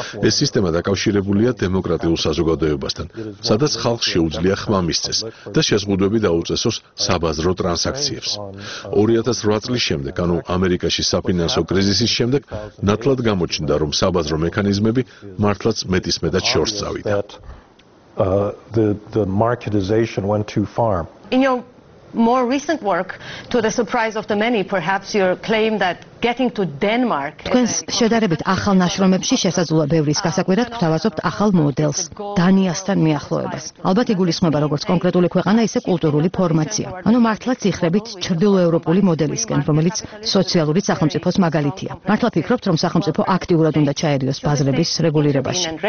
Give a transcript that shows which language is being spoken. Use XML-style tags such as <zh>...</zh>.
<ka>ეს სისტემა დაკავშირებულია დემოკრატიულ საზოგადოებასთან, სადაც ხალხს შეუძლია ხმა მისცეს და შეზღუდვები დაუწესოს საბაზრო ტრანსაქციებს. 2008 წლის შემდეგ, ანუ ამერიკაში საფინანსო კრიზისის შემდეგ, ნათლად გამოჩნდა, რომ საბაზრო მექანიზმები მართლაც მეტისმეტად შორს წავიდა.</ka> <en>The marketization went too far. In your more recent work, to the surprise of the many, perhaps your claim that getting to Denmark.</en> <ka>თქვენს შედარებით ახალ ნაშრომებში შესაძლოა ბევრის გასაკვირად გვთავაზობთ ახალ მოდელს, დანიასთან მიახლოებას. ალბათ იგულისხმება როგორც კონკრეტული ქვეყანა, ისე კულტურული ფორმაცია. ანუ მართლაც იხრებით ჩრდილოევროპული მოდელისკენ, რომელიც სოციალური სახელმწიფოს მაგალითია. მართლა ფიქრობთ, რომ სახელმწიფო აქტიურად უნდა ჩაერიოს ბაზრების რეგულირებაში?</ka>